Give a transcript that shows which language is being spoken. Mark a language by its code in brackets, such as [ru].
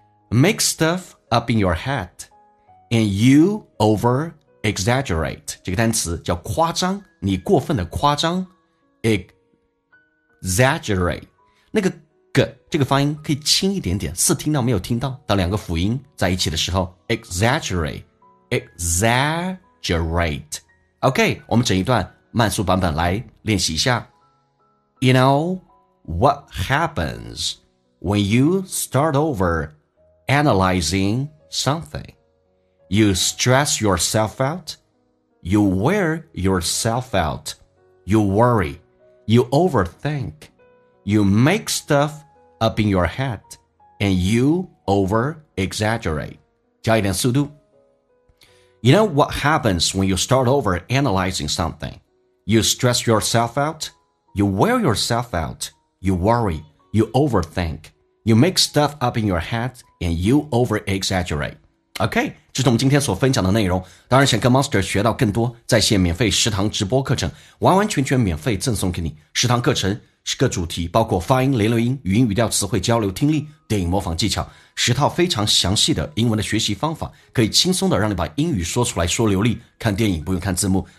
[en] Make stuff up in your head and you over exaggerate， [zh] 这个单词叫夸张，你过分的夸张。 exaggerate， 那个 g 这个发音可以轻一点点，似听到没有听到，到两个辅音在一起的时候 exaggerate exaggerate。 OK， 我们整一段慢速版本来练习一下。 [en] You know what happens when you start over analyzing something? You stress yourself out, you wear yourself out, you worry, you overthink, you make stuff up in your head, and you over-exaggerate. [zh] 加一点速度。 [en] You know what happens when you start over analyzing something? You stress yourself out, you wear yourself out, you worry, you overthink, you make stuff up in your head, and you over-exaggerate. [zh] OK, 这是我们今天所分享的内容。当然想跟 Monster 学到更多在线免费食堂直播课程，完完全全免费赠送给你。食堂课程是各主题，包括发音、连轮音、语音语调、词汇交流、听力、电影模仿技巧，十套非常详细的英文的学习方法，可以轻松的让你把英语说出来说流利，看电影不用看字幕。